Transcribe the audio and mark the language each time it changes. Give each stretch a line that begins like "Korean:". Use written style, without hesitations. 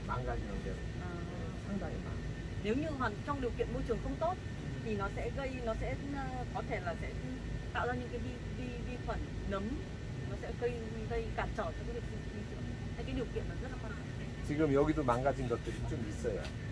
Korean: 망가지는 게 상당히 많아요. 만약에 환,
Vietnamese: trong điều kiện môi trường không tốt thì nó sẽ gây, nó sẽ có thể là sẽ tạo ra những cái vi khuẩn nấm, nó sẽ gây cản trở cho cái việc sinh trưởng. Hay cái điều kiện nó rất là quan trọng.
Korean: 지금 여기도 망가진 것들이 좀 있어요.